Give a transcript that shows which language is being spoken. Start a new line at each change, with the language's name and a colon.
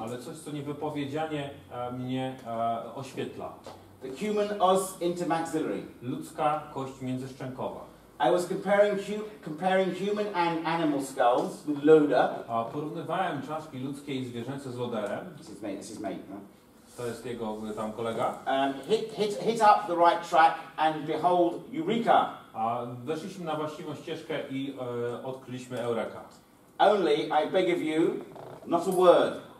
Polish: Ale coś, co niewypowiedzianie mnie oświetla.
English: The human os intermaxillary.
Polish: Ludzka kość międzyszczękowa.
English: I was comparing human and animal skulls with Loda.
Polish: A porównywałem czaszki ludzkie i zwierzęce z Loderem.
English: This is mate. No?
Polish: To jest jego tam kolega.
English: Hit up the right track and behold Eureka.
Polish: A weszliśmy na właściwą ścieżkę i odkryliśmy Eureka.
English: Only I beg of you, not a word.